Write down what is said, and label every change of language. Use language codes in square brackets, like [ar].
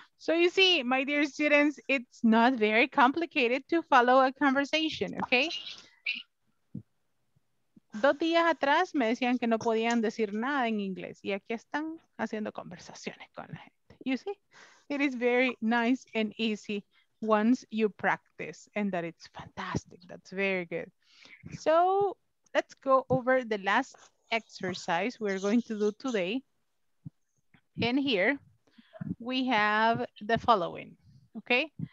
[en] So you see, my dear students, it's not very complicated to follow a conversation, okay? [es] 2 días atrás me decían que no podían decir nada en inglés y aquí están haciendo conversaciones con la gente. [en] You see, it is very nice and easy once you practice and that it's fantastic. That's very good. So let's go over the last exercise we're going to do today. And here we have the following, okay?